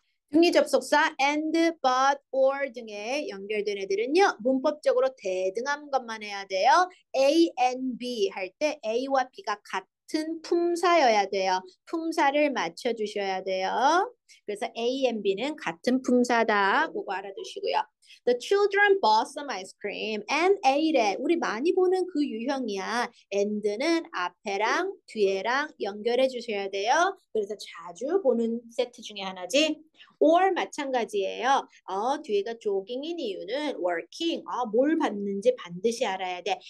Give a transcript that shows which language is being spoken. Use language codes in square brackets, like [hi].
[ko] 등위 접속사 and, but, or 등에 연결된 애들은요, 문법적으로 대등한 것만 해야 돼요. A and B 할때 A와 B가 같은 품사여야 돼요. 품사를 맞춰주셔야 돼요. 그래서 A and B는 같은 품사다. 그거 알아두시고요. [en] The children bought some ice cream and ate it. [ko] 우리 많이 보는 그 유형이야. And는 앞에랑 뒤에랑 연결해 주셔야 돼요. 그래서 자주 보는 세트 중에 하나지. Or 마찬가지예요. 뒤에가 조깅인 이유는 working. 뭘 받는지 반드시 알아야 돼.